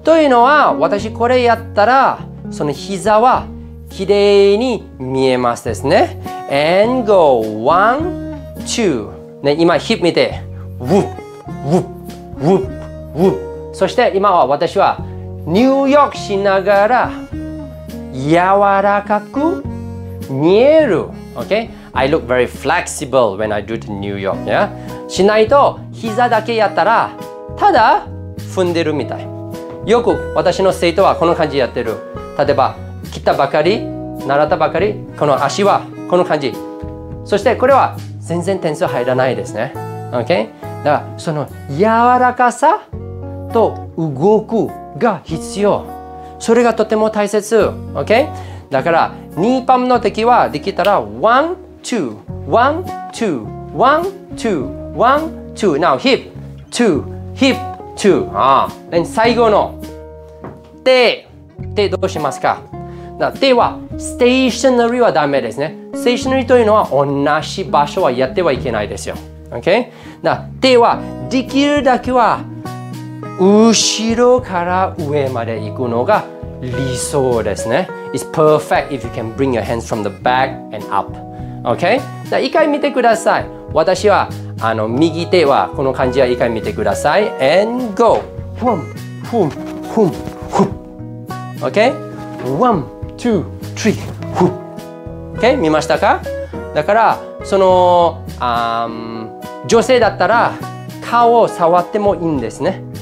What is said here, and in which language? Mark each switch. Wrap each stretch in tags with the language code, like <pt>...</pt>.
<ja>というのは、私これやったら、その膝はきれいに見えますですね。</ja> <en>And go, one, two.</en> <ja>ね、今、ヒップ見て、ウッ、ウッ、ウッ、ウッ。そして、今は私は、入浴しながら、柔らかく見える。</ja> <en>Okay? I look very flexible when I do the 入浴、yeah?</en> <ja>しないと、膝だけやったら、ただ踏んでるみたい。よく私の生徒はこの感じやってる。例えば、来たばかり、習ったばかり、この足はこの感じ。そして、これは、全然点数入らないですね。 OK? だから、その柔らかさと動くが必要。それがとても大切。OK? だから、ニーパムの時はできたら、</ja> <en>ワン、ツー、ワン、ツー、</en> <ja>ワン、ツー、ワン、ツー。</ja> <en>Now, hip, two, hip, two. ああ。</en> <ja>で、最後の、手。手どうしますか？だから手は、ステーショナリーはダメですね。ステーショナリーというのは同じ場所はやってはいけないですよ。 OK? だから手はできるだけは後ろから上まで行くのが理想ですね。</ja> <en>It's perfect if you can bring your hands from the back and up. OK?</en> <ja>だから一回見てください。私はあの右手はこの感じは一回見てください。</ja> <en>And go! フン、フン、フン、フン。OK? ワン、ツー、スリー、フン。Okay?</en> <ja>見ましたか？だからその女性だったら顔を触ってもいいんですね。</ja>